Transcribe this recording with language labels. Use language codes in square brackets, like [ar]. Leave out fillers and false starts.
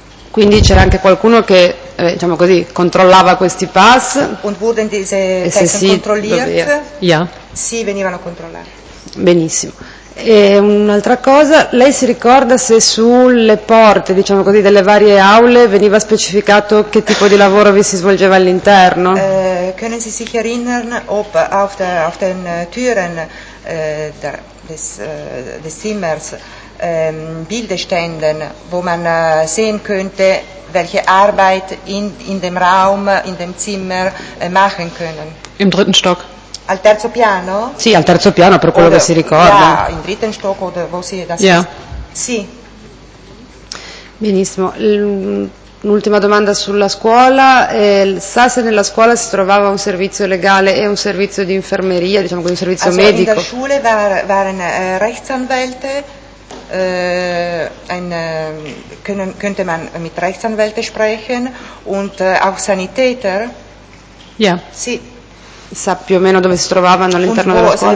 [it] Quindi c'era anche qualcuno che, diciamo così, controllava questi pass? [de] Und wurden diese Pässe kontrolliert? Ja. Yeah. [it] Sì, venivano controllati. Benissimo. E un'altra cosa, lei si ricorda se sulle porte, diciamo così, delle varie aule veniva specificato che tipo di lavoro vi si svolgeva all'interno? [de] Können Sie sich erinnern, ob auf den Türen des Zimmers Bilder ständen, wo man sehen könnte, welche Arbeit in dem Raum, in dem Zimmer machen können? Im dritten Stock. [it] Al terzo piano? Sì, al terzo piano, per quello che si ricorda. [de] In dritten Stock o wo si... Ja. [it] Sì. Benissimo. Un'ultima domanda sulla scuola. Sa se nella scuola si trovava un servizio legale e un servizio di infermeria, diciamo così, un servizio [de] also, [it] medico? [de] In der Schule waren Rechtsanwälte könnte man mit Rechtsanwälten sprechen und auch Sanitäter? Ja. [it] Sa più o meno dove si trovavano all'interno della scuola?